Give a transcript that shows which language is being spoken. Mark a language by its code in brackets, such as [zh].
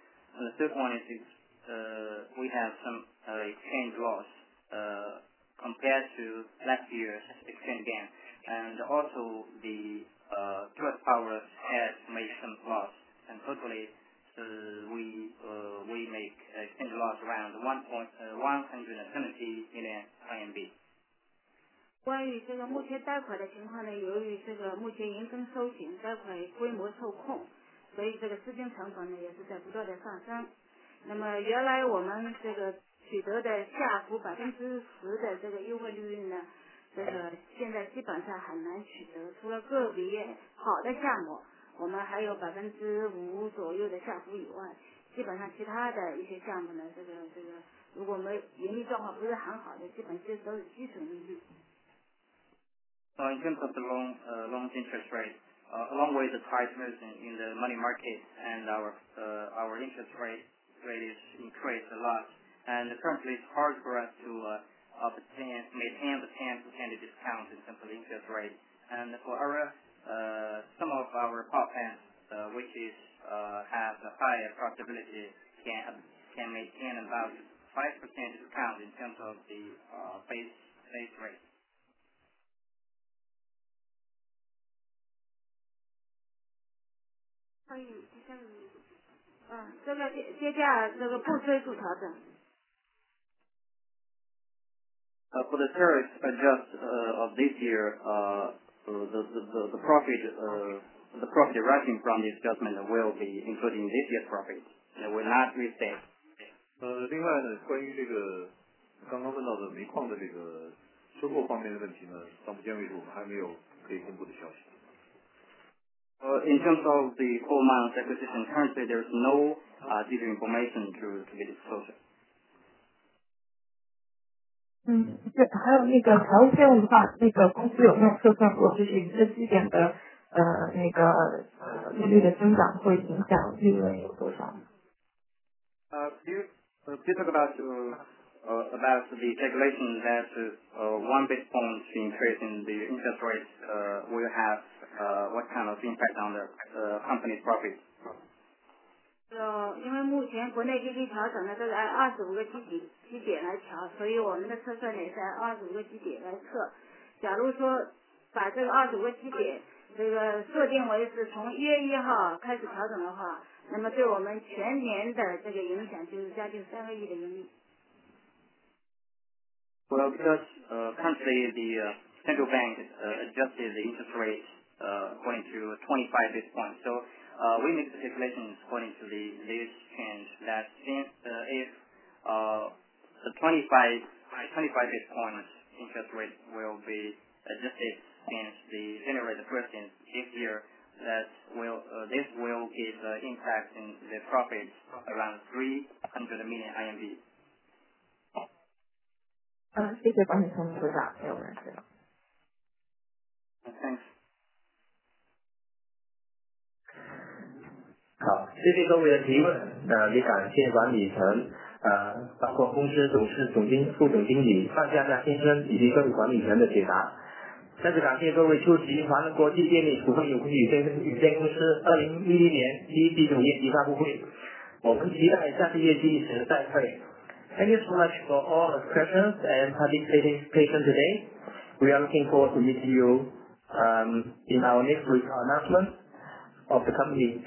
[en] And the third one is we have some exchange loss compared to last year's exchange gain. And also the US power has made some loss. And totally, we make exchange loss around 170 million RMB. [zh] 关于这个目前贷款的情况呢，由于这个目前银根收紧，贷款规模受控，所以这个资金成本呢也是在不断的上升。那么原来我们这个取得的下浮10%的这个优惠利率呢，这个现在基本上很难取得，除了个别好的项目，我们还有5%左右的下浮以外，基本上其他的一些项目呢，这个如果没盈利状况不是很好的，基本其实都是基准利率。 [en] In terms of the loan interest rate, along with the tightness in the money market and our interest rate is increased a lot, and currently it's hard for us to maintain the 10% discount in terms of the interest rate. And for our some of our top banks, which is have a higher profitability, can maintain about 5% discount in terms of the base rate. For the tariff adjust of this year, the profit the profit arising from this adjustment will be including this year's profit. It will not restate. [zh] 另外呢，关于这个刚刚问到的煤矿的这个收购方面的问题呢，到目前为止我们还没有可以公布的消息。 [en] In terms of the coal mines acquisition, currently there is no detailed information to be disclosed. [zh] 对，还有那个财务费用的话，那个公司有没有测算过，就是盈利基点的那个利率的增长会影响利润有多少？ [en] Do you talk about the calculation that one basis point increase in the interest rate will have what kind of impact on the company's profit? [zh] 因为目前国内利率调整呢都是按25个基点来调，所以我们的测算也是按25个基点来测。假如说把这个25个基点这个设定为是从1月1号开始调整的话，那么对我们全年的这个影响就是将近3个亿的盈利。 [en] Well, because currently the central bank adjusted the interest rate according to 25 basis points. So we make the calculations according to this change that since if the 25 basis points interest rate will be adjusted since the January the 1st in this year, that will, this will give an impact in the profit around 300 million IMB. [zh] 谢谢管理层的回答，没有问题了。 [en] Thanks. [zh] 好，谢谢各位的提问，也感谢管理层，包括公司董事、总经、副总经理范佳佳先生以及各位管理层的解答。再次感谢各位出席华能国际电力股份有限公司有限公司2011年第一季度业绩发布会，我们期待下次业绩时再会。 [en] Thank you so much for all the questions and participation today. We are looking forward to meeting you in our next week announcement of the company.